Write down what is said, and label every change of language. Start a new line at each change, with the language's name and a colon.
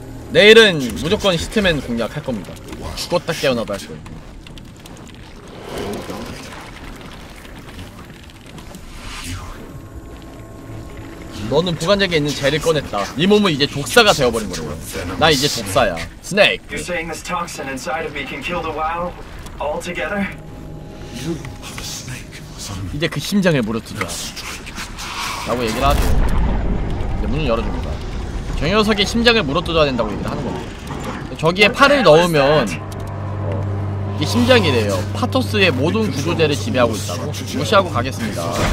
Korean: 내일은 무조건 히트맨 공략할 겁니다. 죽었다 깨어나도 할 거예요. 너는 보관장에 있는 젤을 꺼냈다. 네 몸은 이제 독사가 되어버린 거라고. 나 이제 독사야. 스네이크.
English: You're saying this toxin inside of me can kill the WoW altogether? You are a snake.
Korean: 이제 그 심장을 물어뜯어. 라고 얘기를 하죠. 이제 문을 열어줍니다. 저 녀석의 심장을 물어뜯어야 된다고 얘기를 하는 겁니다. 저기에 팔을 넣으면 이게 심장이래요. 파토스의 모든 구조대를 지배하고 있다고? 무시하고 가겠습니다.